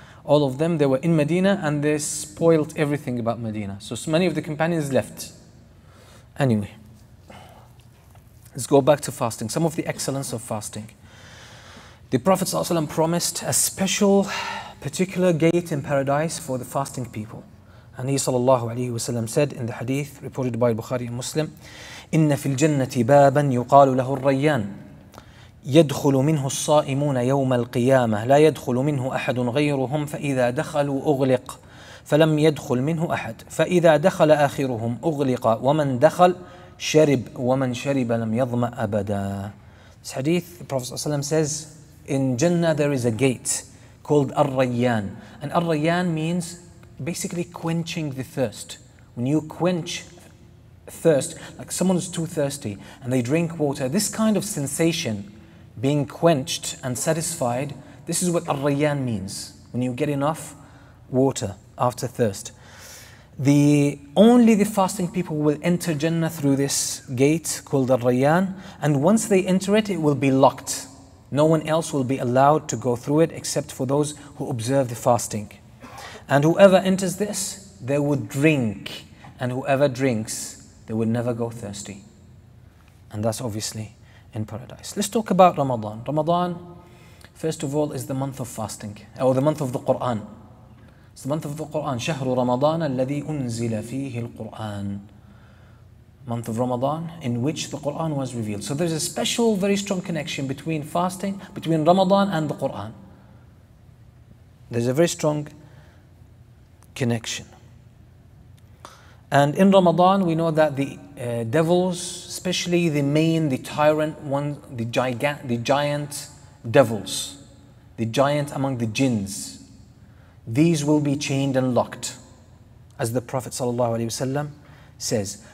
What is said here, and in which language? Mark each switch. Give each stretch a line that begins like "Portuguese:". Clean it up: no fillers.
English: All of them, they were in Medina and they spoiled everything about Medina. So many of the companions left. Anyway, let's go back to fasting. Some of the excellence of fasting. The Prophet ﷺ promised a special, particular gate in paradise for the fasting people. And he ﷺ said in the hadith reported by Bukhari and Muslim,
Arabic: إِنَّ فِي الْجَنَّةِ بَابًا يُقَالُ لَهُ الرَّيَّانِ يَدْخُلُ مِنْهُ الصَّائِمُونَ يَوْمَ الْقِيَامَةِ لَا يَدْخُلُ مِنْهُ أَحَدٌ غَيْرُهُمْ فَإِذَا دَخَلُوا أُغْلِقْ فَلَمْ يَدْخُلْ مِنْهُ أَحَدٌ فَإِذَا دَخَلَ آخِرُهُمْ أُغْلِقَ وَمَنْ دَخَلَ شَرِبْ وَمَنْ شَرِبَ لَمْ يَضْمَ أَبَدًا.
English: This hadith, the Prophet ﷺ says, in Jannah there is a gate called Ar-Rayyan. And Ar-Rayyan means basically quenching the thirst. When you quench thirst, like someone is too thirsty and they drink water, this kind of sensation, being quenched and satisfied, this is what Ar-Rayyan means, when you get enough water after thirst. Only the fasting people will enter Jannah through this gate called Ar-Rayyan, and once they enter it, it will be locked. No one else will be allowed to go through it except for those who observe the fasting. And whoever enters this, they will drink. And whoever drinks, they will never go thirsty. And that's obviously in paradise. Let's talk about Ramadan. Ramadan, first of all, is the month of fasting, or the month of the Quran. It's the month of the Qur'an.
Arabic: شهر رمضان الذي أنزل فيه القرآن.
English: Month of Ramadan in which the Qur'an was revealed. So there's a special, very strong connection between fasting, between Ramadan and the Qur'an. There's a very strong connection. And in Ramadan, we know that the devils, especially the main, the tyrant one, the giant devils, the giant among the jinns, these will be chained and locked, as the Prophet ﷺ says.